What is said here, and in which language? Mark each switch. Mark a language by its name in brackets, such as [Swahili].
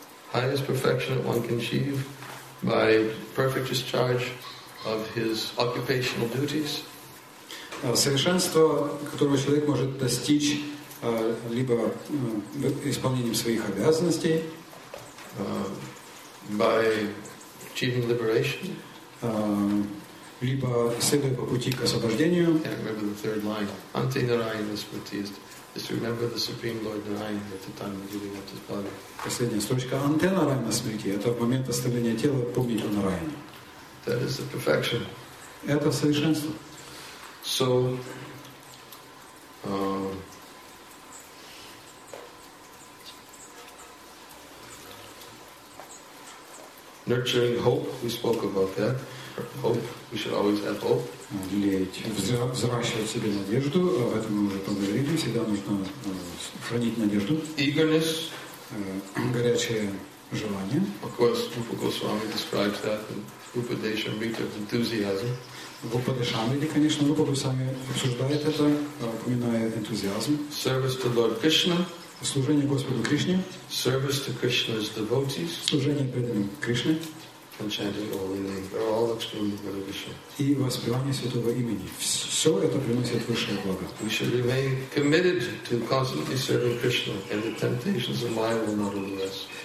[English] Highest perfection that one can achieve by perfect discharge of his occupational duties. [Russian] Совершенство, которого человек может достичь либо исполнением своих обязанностей, [English] by achieving liberation, [Russian] либо следуя по пути к освобождению. [English] Yeah, remember the third line. Anti Narayana Smriti is to remember the Supreme Lord Narayana at the time of giving up his body. [Russian] Последняя строчка. Anti Narayana Smriti — это в момент оставления тела помнить о Нарайане. [English] That is the perfection. [Russian] Это совершенство. [English] So, nurturing hope, we spoke about that. Hope, we should always have hope. [Russian] Взращивать себе надежду, об этом мы уже поговорили, всегда нужно хранить надежду. [English] Eagerness, [Russian] горячее желание. [English] Of course, Rupa Goswami describes that in Rupa Deshamrita, enthusiasm. [Russian] В Упадешамриде, конечно, Рупа Гусами обсуждает это, упоминая энтузиазм. [English] Service to Lord Krishna. [Russian] Служение Господу Кришне. [English] Service to Krishna's devotees. [Russian] Служение преданным Кришне. [English] And chanting holy name. They're all extremely beneficial. [Russian] И воспевание святого имени. Все это приносит высшее благо. [English] We should remain committed to constantly serving Krishna, and the temptations of mind will not rule us.